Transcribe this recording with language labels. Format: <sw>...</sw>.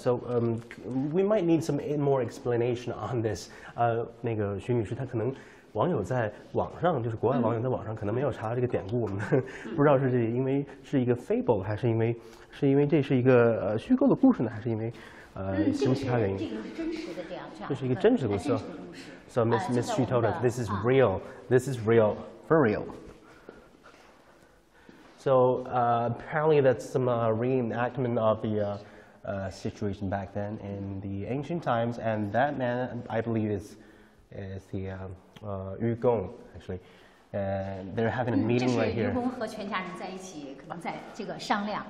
<en>So we might need some more explanation on this.</en> <zh>那个徐女士，她可能网友在网上，就是国外网友在网上可能没有查到这个典故，我们不知道是因为是一个 fable， 还是因为这是一个虚构的故事呢，还是因为什么其他原因？这个是真实的这样。这是一个真实的故事。</zh> <en>So Miss Xu told us this is real. This is real, for real. So apparently that's some reenactment of the situation back then in the ancient times, and that man I believe is the Yugong, actually, and they're having a meeting right here.</en> <zh>这是愚公和全家人在一起，可能在这个商量。</zh>